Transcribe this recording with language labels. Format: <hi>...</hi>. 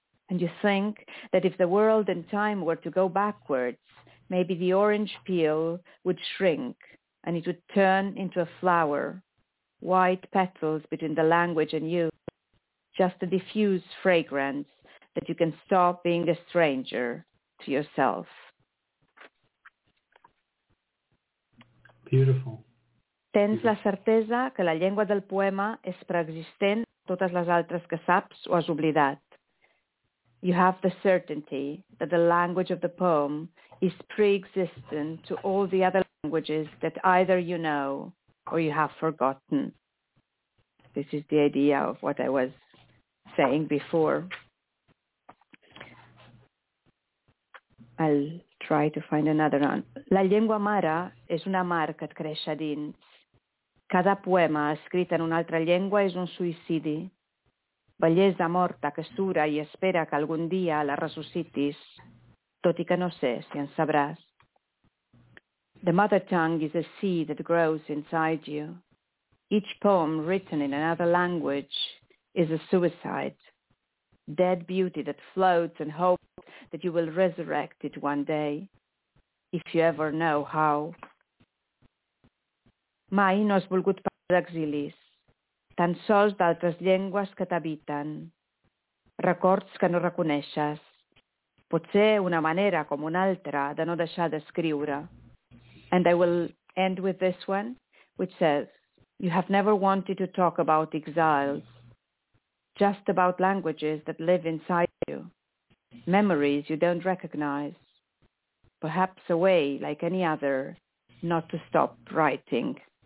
<en>And you think that if the world and time were to go backwards, maybe the orange peel would shrink and it would turn into a flower, white petals between the language and you, just a diffuse fragrance that you can stop being a stranger to yourself. Beautiful.</en> <ca>Tens la certesa que la llengua del poema és preexistent a totes les altres que saps o has oblidat.</ca> <en>You have the certainty that the language of the poem is pre-existent to all the other languages that either you know or you have forgotten. This is the idea of what I was saying before. I'll try to find another one.</en> <ca>La llengua mare és una mar que et creix a dins. Cada poema escrit en una altra llengua és un suïcidi. Bellesa morta que sura i espera que algun dia la ressuscitis, tot i que no sé si en sabràs.</ca> <en>The mother tongue is a seed that grows inside you. Each poem written in another language is a suicide, dead beauty that floats and hopes that you will resurrect it one day, if you ever know how.</en> <ca>Mai no has volgut parlar d'exilis. Tan sols d'altres llengües que t'habiten, records que no reconeixes, potser una manera com una altra de no deixar d'escriure.</ca> <en>And I will end with this one, which says, you have never wanted to talk about exiles, just about languages that live inside you, memories you don't recognize, perhaps a way, like any other, not to stop writing.</en>